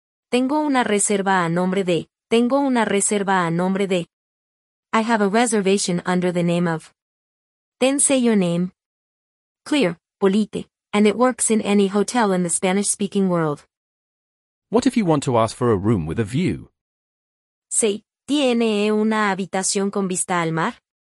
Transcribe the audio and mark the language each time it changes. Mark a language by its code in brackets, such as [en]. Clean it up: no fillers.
[es] Tengo una reserva a nombre de, tengo una reserva a nombre de. [en] I have a reservation under the name of. Then say your name. Clear, polite, and it works in any hotel in the Spanish-speaking world. What if you want to ask for a room with a view? Say, [es] ¿tiene una habitación con vista al mar?